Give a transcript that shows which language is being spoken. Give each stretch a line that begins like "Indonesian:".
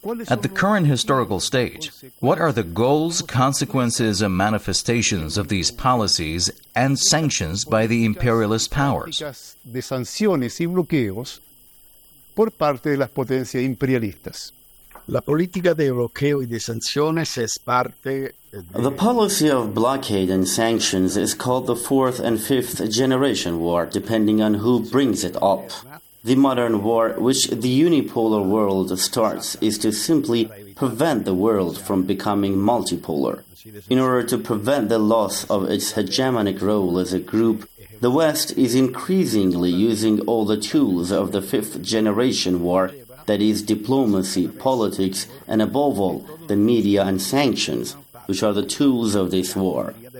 English: At the current historical stage, what are the goals, consequences, and manifestations of these policies and sanctions by the imperialist powers?
Spanish: De sanciones y bloqueos por parte de las potencias imperialistas. La política de bloqueo y de sanciones es parte de...
English: The policy of blockade and sanctions is called the fourth and fifth generation war, depending on who brings it up. The modern war, which the unipolar world starts, is to simply prevent the world from becoming multipolar. In order to prevent the loss of its hegemonic role as a group, the West is increasingly using all the tools of the fifth generation war, that is, diplomacy, politics, and above all, the media and sanctions, which are the tools of this war.